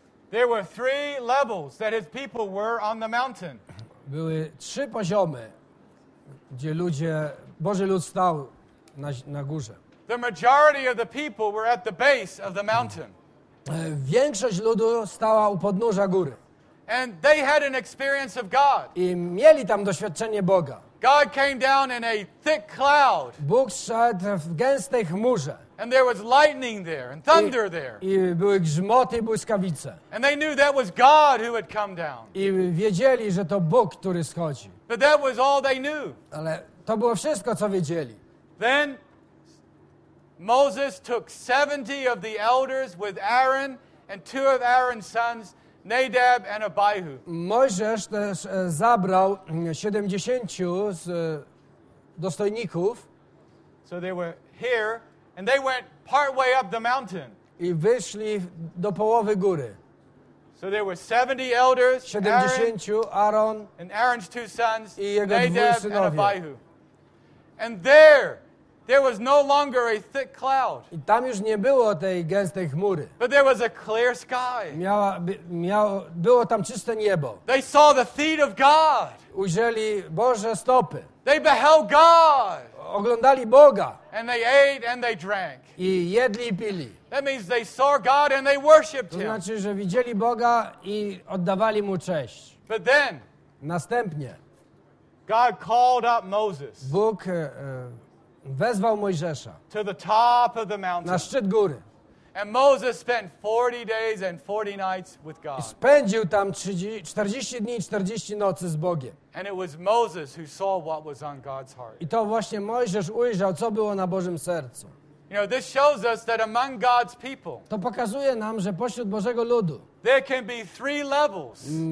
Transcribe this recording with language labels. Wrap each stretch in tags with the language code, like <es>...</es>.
<en>there were three levels that his people were on the mountain.</en> <pl>Były trzy poziomy, gdzie ludzie, Boży lud stał na górze.</pl> <en>The majority of the people were at the base of the mountain.</en> <pl>Większość ludu stała u podnóża góry.</pl> <en>And they had an experience of God.</en> <pl>I mieli tam doświadczenie Boga.</pl> <en>God came down in a thick cloud.</en> <pl>Bóg szedł w gęstej chmurze.</pl> <en>And there was lightning there and thunder there.</en> <pl>I były grzmoty i błyskawice.</pl> <en>And they knew that was God who had come down.</en> <pl>I wiedzieli, że to Bóg, który schodzi.</pl> <en>But that was all they knew.</en> <pl>Ale to było wszystko, co wiedzieli.</pl> <en>Then Moses took 70 of the elders with Aaron and two of Aaron's sons, Nadab and Abihu.</en> <pl>Mojżesz też zabrał 70 z dostojników.</pl> <en>So they were here and they went part way up the mountain.</en> <pl>I wyszli do połowy góry.</pl> <en>So there were 70 elders, 70 Aaron and Aaron's two sons, Nadab and Abihu. And there was no longer a thick cloud.</en> <pl>I tam już nie było tej gęstej chmury.</pl> <en>But there was a clear sky.</en> <pl>Było tam czyste niebo.</pl> <en>They saw the feet of God.</en> <pl>Ujrzeli Boże stopy.</pl> <en>They beheld God.</en> <pl>Oglądali Boga.</pl> <en>And they ate and they drank.</en> <pl>I jedli i pili.</pl> <en>That means they saw God and they worshiped him.</en> <pl>To znaczy, że widzieli Boga i oddawali mu cześć.</pl> <en>But then,</en> <pl>następnie,</pl> <en>God called up Moses.</en> <pl>Bóg wezwał Mojżesza</pl> <en>to the top of the mountain.</en> <pl>Na szczyt góry.</pl> <en>And Moses spent 40 days and 40 nights with God.</en> <pl>I spędził tam 40 dni i 40 nocy z Bogiem.</pl> <en>And it was Moses who saw what was on God's heart.</en> <pl>I to właśnie Mojżesz ujrzał, co było na Bożym sercu.</pl> <en>You know, this shows us that among God's people,</en> <pl>to pokazuje nam, że pośród Bożego ludu</pl> <en>there can be three levels.</en>